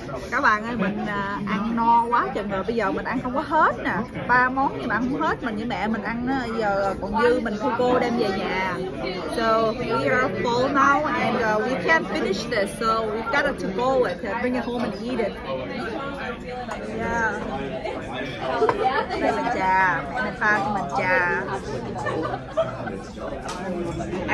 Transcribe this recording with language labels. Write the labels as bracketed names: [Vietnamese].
[Vietnamese] Các bạn ơi, mình ăn no quá chừng rồi, bây giờ mình ăn không có hết nè. Ba món thì mà ăn không hết, mình với mẹ mình ăn giờ còn dư, mình thu cô đem về nhà. [English] So we are full now and we can't finish this, so we got to go and bring it home and eat it. Yeah. [Vietnamese] Đây mình trà, mẹ mình pha cho mình trà.